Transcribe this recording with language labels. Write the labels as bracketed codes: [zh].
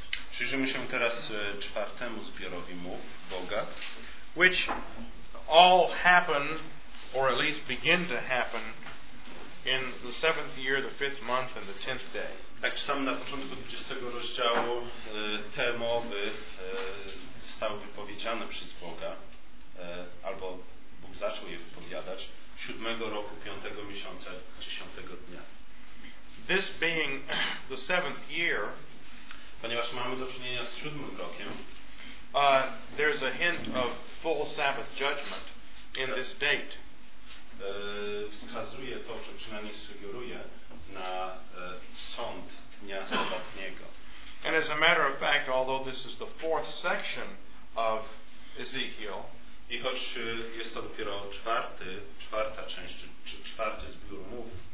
[pl] Przyjrzymy się teraz czwartemu zbiorowi mów Boga, [en] which all happen, or at least begin to happen, in the seventh year, the fifth month, and the tenth day. [pl] Jak czytamy na początku 20 rozdziału, te mowy zostały wypowiedziane przez Boga, albo Bóg zaczął je wypowiadać 7 roku, 5 miesiąca, 10 dnia. [en] This being the seventh year, [pl] ponieważ mamy do czynienia z 7 rokiem, [en] there's a hint of full Sabbath judgment in this date. [pl] Wskazuje to, czy przynajmniej sugeruje, na sąd dnia sabatniego. [en] And as a matter of fact, although this is the fourth section of Ezekiel, [pl] i choć jest to dopiero czwarta część, czy czwarty zbiór mów,